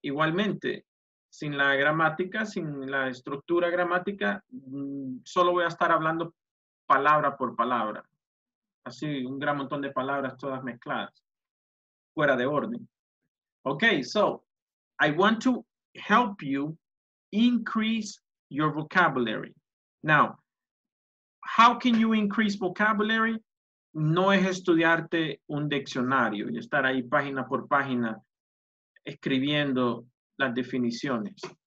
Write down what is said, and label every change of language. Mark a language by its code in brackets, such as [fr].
[es] Igualmente, sin la gramática, sin la estructura gramática, solo voy a estar hablando palabra por palabra. Así, un gran montón de palabras todas mezcladas. Fuera de orden. [en] Okay, so I want to help you increase your vocabulary. Now, how can you increase vocabulary? [es] no es estudiarte un diccionario y estar ahí página por página escribiendo las definiciones.